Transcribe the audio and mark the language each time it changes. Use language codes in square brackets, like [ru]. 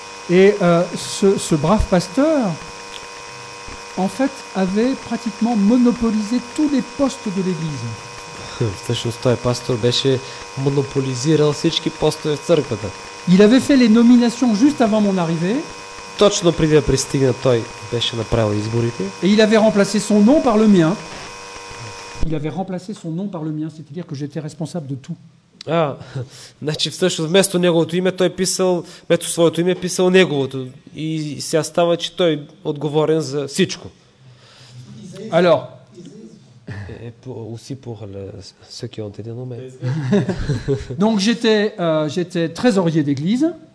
[fr] Et ce brave pasteur en fait avait pratiquement monopolisé tous les postes de l'église. [bg] Всъщност той пастор беше монополизирал всички постове в църквата. [fr] Il avait fait les nominations juste avant mon arrivée. [bg] Точно преди да пристигна, той беше направил изборите. [fr] Et il avait remplacé son nom par le mien. Il avait remplacé son nom par le mien, c'est-à-dire que j'étais responsable de tout. [bg] А, значи всъщност вместо неговото име той писал, вместо своето име писал неговото и сега става, че той отговорен за всичко. [fr] Alors, aussi pour ceux qui ont été nommés. Donc j'étais trésorier d'église.